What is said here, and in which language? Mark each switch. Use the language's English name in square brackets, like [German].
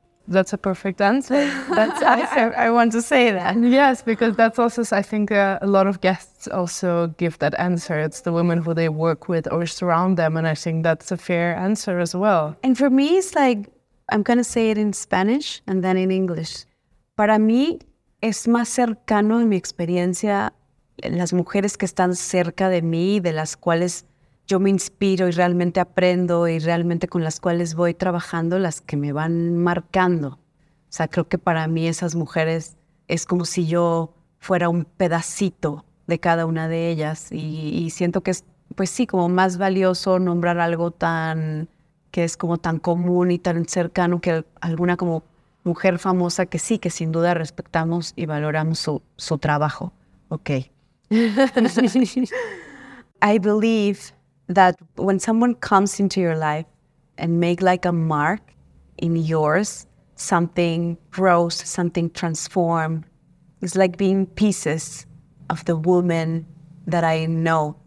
[English] That's a perfect answer. That's I want to say that. Yes, because that's also, I think a lot of guests also give that answer. It's the women who they work with or surround them. And I think that's a fair answer as well. And for me, it's like, I'm going to say it in Spanish and then in English. [Spanish] Para mí, es más cercano en mi experiencia las mujeres que están cerca de mí, de las cuales yo me inspiro y realmente aprendo y realmente con las cuales voy trabajando, las que me van marcando. O sea, creo que para mí esas mujeres es como si yo fuera un pedacito de cada una de ellas. Y siento que es, pues sí, como más valioso nombrar algo tan, que es como tan común y tan cercano que alguna como mujer famosa que sí, que sin duda respetamos y valoramos su trabajo. [English] Okay. I believe that when someone comes into your life and make like a mark in yours, something grows, something transforms. It's like being pieces of the woman that I know.